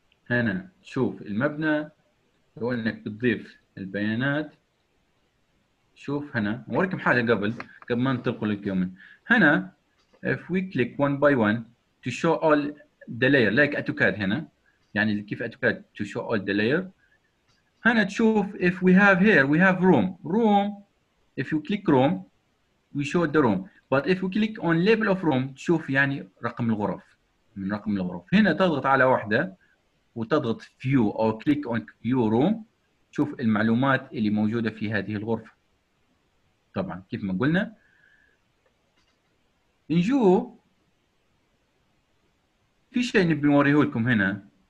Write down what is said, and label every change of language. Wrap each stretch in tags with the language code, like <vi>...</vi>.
<ar>هنا شوف المبنى لو انك بتضيف البيانات شوف هنا وريكم حاجه قبل ما ننتقل للكومن هنا</ar> <en>if we click one by one to show all the layer like AutoCAD</en> <ar>هنا يعني كيف AutoCAD</ar> <en>to show all the layer</en> <ar>هنا تشوف</ar> <en>if we have here we have room If you click room, we show the room. But if you click on label of room,</en> <ar>تشوف يعني رقم الغرف. من رقم الغرف. هنا تضغط على واحدة وتضغط view أو</ar> <en>click on view room.</en> <ar>تشوف المعلومات اللي موجودة في هذه الغرفة. طبعا كيف ما قلنا. نجو. في شيء نبي نوريه لكم هنا.</ar>